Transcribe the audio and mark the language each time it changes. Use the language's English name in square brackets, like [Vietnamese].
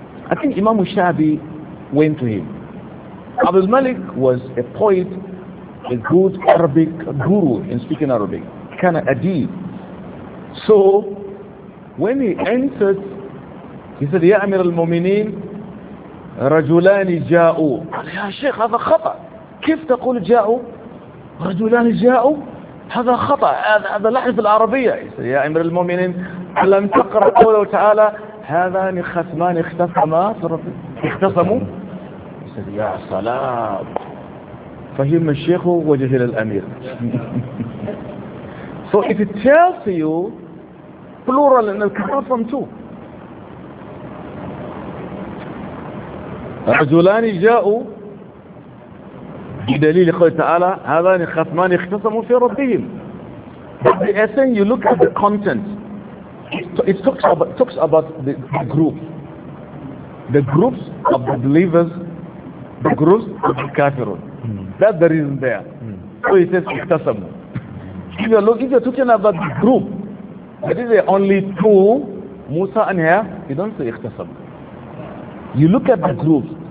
[English] I think Imam Shabi went to him. Abdul Malik was a poet, a good Arabic guru in speaking Arabic, kind of adib. So, when he entered, he said, Ya Amir al-Mu'mineen, [Arabic] رجلان جاءوا. يا شيخ هذا خطأ. كيف تقول جاءوا؟ رجلان جاءوا. هذا خطأ. هذا لحن في العربية. يا أمير المؤمنين لم تقرأ قوله تعالى هذان خصمان اختصموا. يا سلام. فهم الشيخ وجه إلى الأمير. [English] So if it tells you plural and it comes from two. [Arabic] رجلان جاءوا بدليل قوله تعالى هذان خصمان اختصموا في ربهم. [English] But the essence, you look at the content, it talks about the group, the groups of the believers, the groups of the kafirun. That's the reason there. So he says اختصموا. If you're talking about the group, that is there only two, Musa and here, you don't say اختصموا. You look at the groups.